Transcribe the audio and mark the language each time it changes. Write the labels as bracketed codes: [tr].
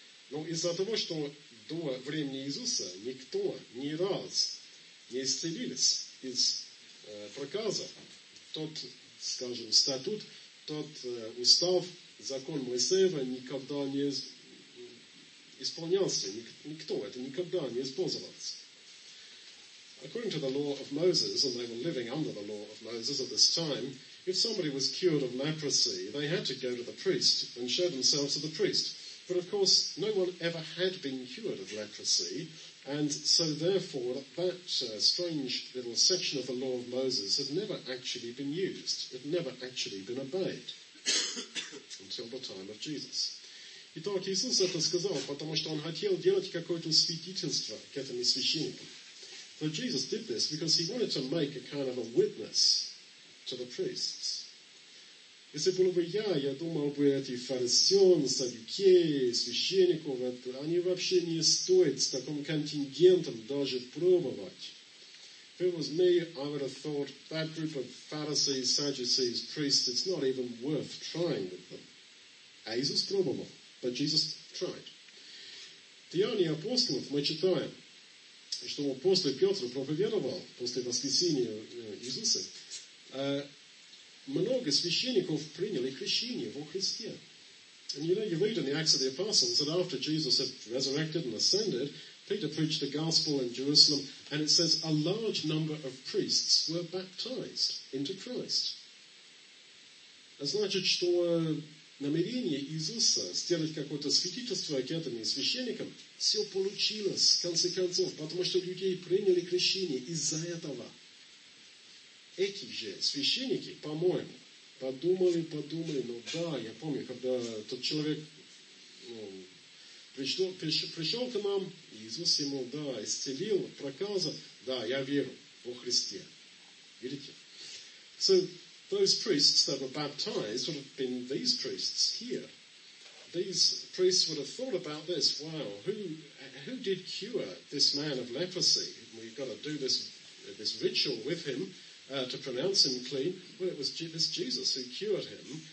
[ru] Но из-за того, что до времени Иисуса никто ни раз не исцелился из проказа, тот, скажем, статут, тот устав, закон Моисеева никогда не исполнялся. Никто это никогда не использовался. [en] According to the law of Moses, and they were living under the law of Moses at this time, if somebody was cured of leprosy, they had to go to the priest and show themselves to the priest. But of course, no one ever had been cured of leprosy, and so therefore that strange little section of the law of Moses had never actually been used, had never actually been obeyed until the time of Jesus. [ru] Итак, Иисус это сказал, потому что он хотел делать какое-то свидетельство к этому священнику. [en] So Jesus did this because he wanted to make a kind of a witness to the priests. [ru] Если был бы я думал бы, эти фарисеи, саддукеи, священников, это, они вообще не стоит с таким контингентом даже пробовать. [en] If it was me, I would have thought that group of Pharisees, Sadducees, priests, it's not even worth trying with them. [ru] А Иисус пробовал, [en] but Jesus tried. [ru] Деяния апостолов мы читаем, что апостол Петр проповедовал после воскресения Иисуса, много священников приняли крещение во Христе. [en] And you know, you read in the Acts of the Apostles that after Jesus had resurrected and ascended, Peter preached the gospel in Jerusalem, and it says a large number of priests were baptized into Christ. [ru] Значит, что намерение Иисуса сделать какое-то свидетельство к этим священникам, все получилось, в конце концов, потому что людей приняли крещение из-за этого. Эти же священники, по-моему, подумали, ну да, я помню, когда тот человек пришел к нам, Иисус ему, да, исцелил, проказа, да, я верю во Христе. Видите? [en] So, those priests that were baptized would have been these priests here. These priests would have thought about this, wow, who did cure this man of leprosy? We've got to do this ritual with him. To pronounce him clean, well, it was this Jesus who cured him.